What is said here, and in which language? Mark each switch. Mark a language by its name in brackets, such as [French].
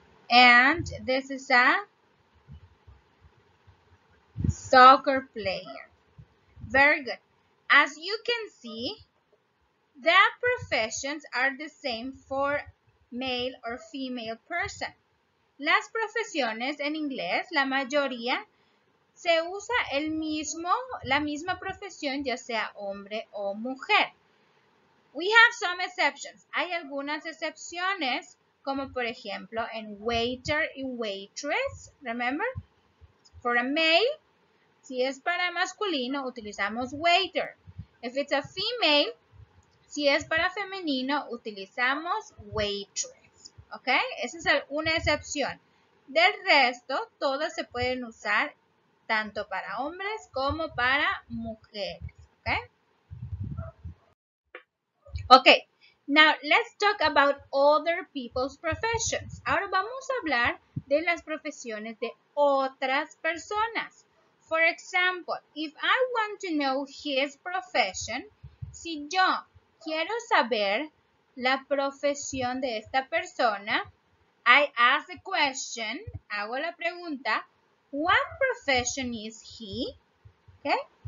[English] And this is a soccer player. Very good. As you can see, the professions are the same for male or female person. [Spanish] Las profesiones en inglés, la mayoría, se usa el mismo, la misma profesión, ya sea hombre o mujer. [English] We have some exceptions. [Spanish] Hay algunas excepciones, como por ejemplo en waiter y waitress, [English] remember? For a male, [Spanish] si es para masculino, utilizamos waiter. [English] If it's a female, [Spanish] si es para femenino, utilizamos waitress, ¿ok? Esa es una excepción. Del resto, todas se pueden usar tanto para hombres como para mujeres, ¿ok? [English] Ok, now let's talk about other people's professions. [Spanish] Ahora vamos a hablar de las profesiones de otras personas. [English] For example, if I want to know his profession, [Spanish] si yo quiero saber la profesión de esta persona, [English] I ask the question, [Spanish] hago la pregunta, [English] what profession is he? Okay?